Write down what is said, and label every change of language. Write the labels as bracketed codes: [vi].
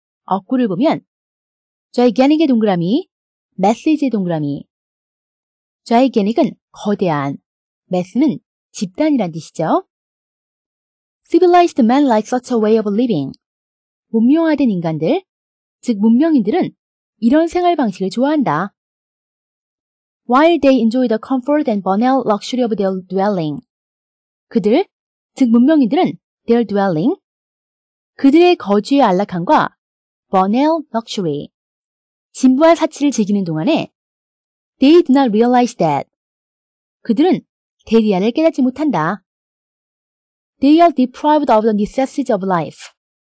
[ko] 억구를 보면 gigantic의 동그라미, massive의 동그라미. gigantic은 거대한, mass는 집단이란 뜻이죠. [en] Civilized men like such a way of living. [ko] 문명화된 인간들, 즉 문명인들은 이런 생활 방식을 좋아한다. [en] While they enjoy the comfort and banal luxury of their dwelling. [ko] 그들, 즉 문명인들은 their dwelling, 그들의 거주의 안락함과 banal luxury, 진부한 사치를 즐기는 동안에 [en] they do not realize that. [ko] 그들은 대리안을 깨닫지 못한다. [en] They are deprived of the necessities of life.